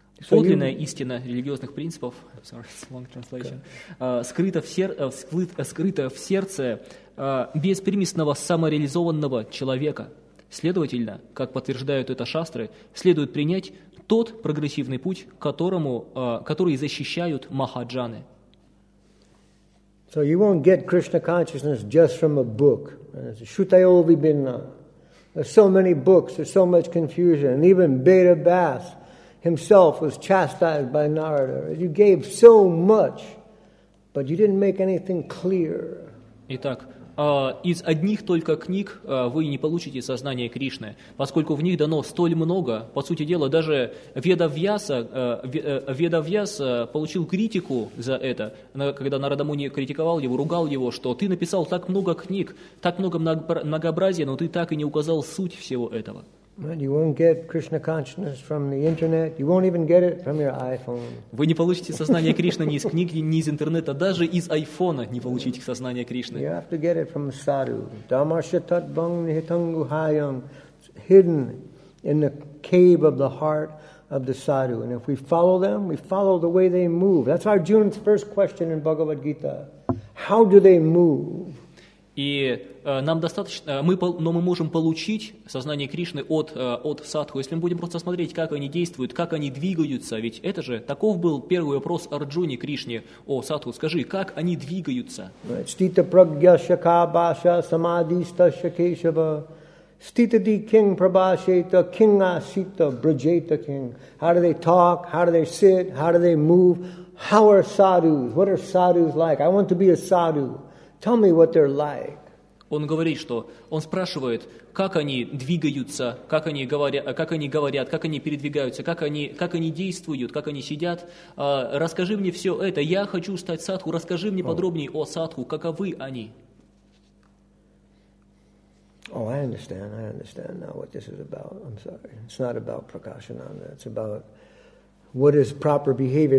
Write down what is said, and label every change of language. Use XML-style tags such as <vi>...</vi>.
<ru>Подлинная истина религиозных принципов скрыта в сердце беспримесного самореализованного человека. Следовательно, как подтверждают это шастры, следует принять тот прогрессивный путь, который защищают махаджаны.</ru> <en>So you won't get Krishna consciousness just from a book.</en> <sa>Shrutayo vibhinna.</sa> <en>There's so many books, there's so much confusion. And even Beda Bas himself was chastised by Narada. You gave so much, but you didn't make anything clear.</en> <ru>Итак, из одних только книг вы не получите сознание Кришны, поскольку в них дано столь много. По сути дела, даже Ведавьяса получил критику за это, когда Нарада Муни критиковал его, ругал его, что ты написал так много книг, так много многообразия, но ты так и не указал суть всего этого.</ru> <en>You won't get Krishna consciousness from the internet. You won't even get it from your iPhone.</en> <ru>Вы не получите сознание Кришны ни из книг, ни из интернета, даже из айфона не получите сознание Кришны.</ru> <en>You have to get it from a sadhu.</en> <sa>Dharmashyatatvang nihitanguhayam.</sa> <en>It's hidden in the cave of the heart of the sadhu. And if we follow them, we follow the way they move. That's Arjuna's first question in Bhagavad Gita. How do they move?</en> <ru>И нам достаточно, мы можем получить сознание Кришны от садху, если мы будем просто смотреть, как они действуют, как они двигаются. Ведь это же, таков был первый вопрос Арджуни Кришне о садху. Скажи, как они двигаются?</ru> <sa>Стита прагья шака баша самадиста шакешава. Стита ди кинг прабашета кинга сита браджета кинг.</sa> <en>How do they talk? How do they sit? How do they move? How are sadhus? What are sadhus like? I want to be a sadhu. Tell me what they're like.</en> <ru>Он говорит, что он спрашивает, как они двигаются, как они говорят, как они передвигаются, как они действуют, как они сидят. Расскажи мне все это. Я хочу стать садху. Расскажи мне подробнее о садху. Каковы они?</ru> <en>Oh, I understand now what this is about. I'm sorry. It's not about Prakashananda. It's about what is proper behavior.</en>